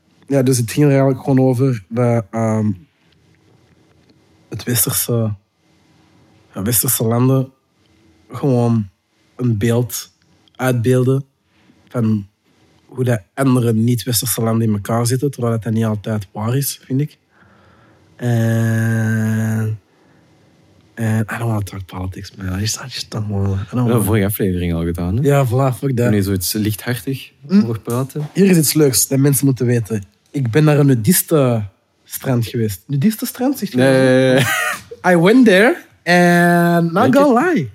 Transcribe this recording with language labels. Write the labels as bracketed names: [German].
[Dutch] Ja, dus het ging er eigenlijk gewoon over dat westerse landen gewoon een beeld uitbeelden van hoe de andere niet-westerse landen in elkaar zitten, terwijl dat niet altijd waar is, vind ik. [English] En I don't want to talk politics, man. I just don't want to. [Dutch] We hebben vorige aflevering al gedaan. Ja, vlaag, fuck that. Nee, zoiets lichthartig over praten. Hier is iets leuks dat mensen moeten weten. Ik ben naar een nudistenstrand geweest. Nudistenstrand, zeg je? Nee. [English] I went there and not naked, gonna lie.